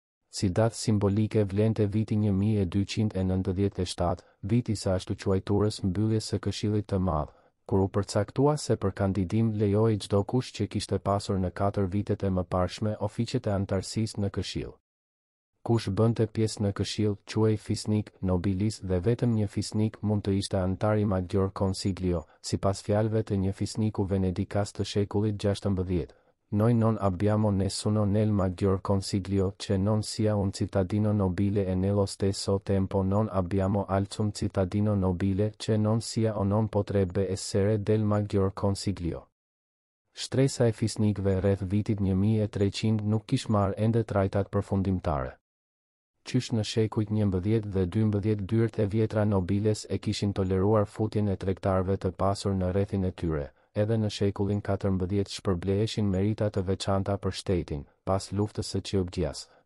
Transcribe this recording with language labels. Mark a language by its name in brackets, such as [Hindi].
[Albanian] Si datë simbolike vlente viti 1297, viti së ashtu quajturës mbylljes së këshillit të madh, kur u përcaktua se për kandidim lejoi çdo kush që kishte pasur në 4 vitet e mëparshme oficet e antarësisë në këshill. Kush bënte pjesë në këshill, quhej fisnik, nobilis dhe vetëm një fisnik mund të ishte antar I Maggior Consiglio, sipas fjalëve të një fisniku venedikas të shekullit 16. [Italian] Noi non abbiamo nessuno nel maggior consiglio che non sia un cittadino nobile e nello stesso tempo non abbiamo alcun cittadino nobile che non sia o non potrebbe essere del maggior consiglio. [Albanian] Shtresa e fisnikve rreth vitit 1300 nuk kish marr ende trajtat përfundimtare. Qysh në shekujt 11 dhe 12 dyrt e vjetra nobiles e kishin toleruar futjen e tregtarve të pasur në rrethin e tyre. Edhe në shekullin 14 shpërbleheshin merita të veçanta për shtetin, pas luftës së Qiobgjas.